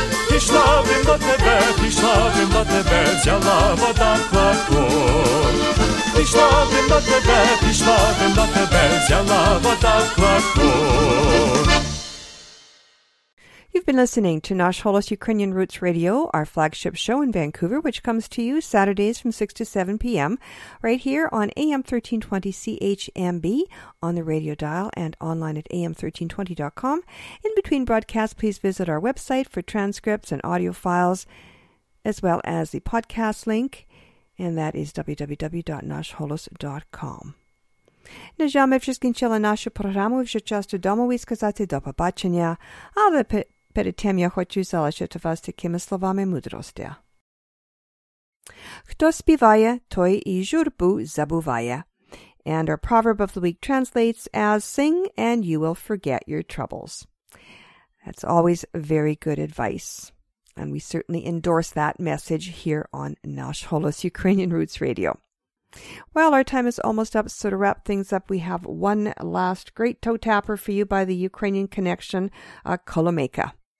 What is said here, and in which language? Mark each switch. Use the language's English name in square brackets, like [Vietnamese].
[Ukrainian] Пішла вим до тебе, пішла вим до тебе, взяла вода кладку. Пішла вим до тебе, пішла вим до тебе, взяла вода кладку. [English] You've been listening to Nash Holos Ukrainian Roots Radio, our flagship show in Vancouver, which comes to you Saturdays from 6 to 7 p.m. right here on AM 1320 CHMB on the radio dial and online at am1320.com. In between broadcasts, please visit our website for transcripts and audio files, as well as the podcast link, and that is www.nashholos.com. [Ukrainian] На жаль, ми вже скінчили нашу програму, вже час додому висказати до побачення, але перед тим я хочу залишити вас такими словами мудрості. Хто співає, той і журбу забуває. [English] And our proverb of the week translates as, sing and you will forget your troubles. That's always very good advice. And we certainly endorse that message here on Nash Holos Ukrainian Roots Radio. Well, our time is almost up, so to wrap things up, we have one last great toe-tapper for you by the Ukrainian connection, Kolomeka.